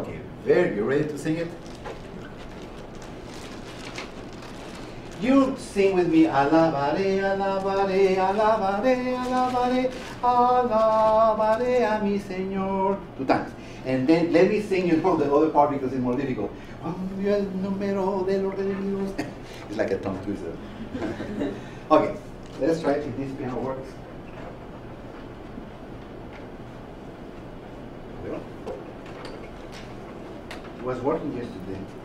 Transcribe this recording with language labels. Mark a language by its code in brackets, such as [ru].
[en] Okay, very, you ready to sing it? You sing with me, [es] alabaré, alabaré, alabaré, alabaré, alabaré a mi Señor. [en] Two times. And then let me sing you the other part because it's more difficult. [es] Cuando el número de los redimidos. [en] It's like a tongue twister. Okay, let's try if this piano works. It was working yesterday.